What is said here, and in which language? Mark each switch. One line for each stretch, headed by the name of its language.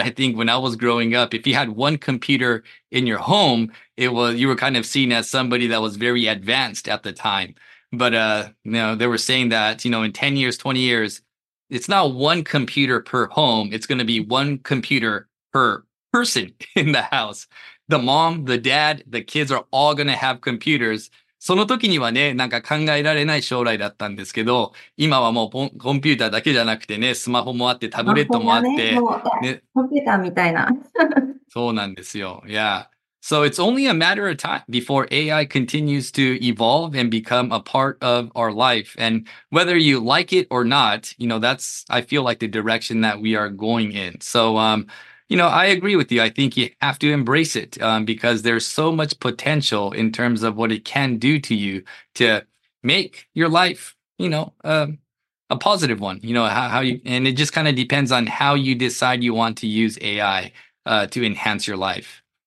English: I think when I was growing up, if you had one computer in your home,you were kind of seen as somebody that was very advanced at the time. But you know, they were saying that, you know, in 10 years, 20 years, it's not one computer per home. It's going to be one computer per person in the house. The mom, the dad, the kids are all going to have computers.
Japanese: その時にはね、なんか考えられない将来だったんですけど、今はもうコンピューターだけじゃなくてね、スマホもあって、タブレットもあって。ね、ね、コンピューターみたいな。そうなんですよ。いや。
English: So it's only a matter of time before AI continues to evolve and become a part of our life. And whether you like it or not, you know, that's, I feel like the direction that we are going in. So, you know, I agree with you. I think you have to embrace it, because there's so much potential in terms of what it can do to you to make your life, you know, a positive one, you know, how you, and it just kind of depends on how you decide you want to use AI, to enhance your life.